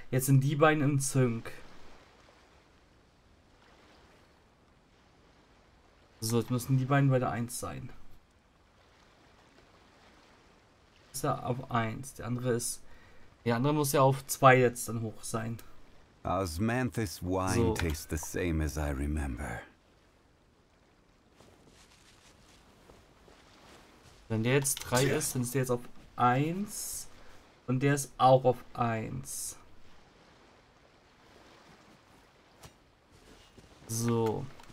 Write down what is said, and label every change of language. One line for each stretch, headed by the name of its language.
German: Jetzt sind die beiden im Zünk. So, jetzt müssen die beiden bei der 1 sein. Ist er auf 1. Der andere ist. Der andere muss ja auf 2 jetzt dann hoch sein.
English: Osmanthus wine tastes the same as I remember.
German: Wenn der jetzt 3 ist, dann ist der jetzt auf 1. Und der ist auch auf 1. So.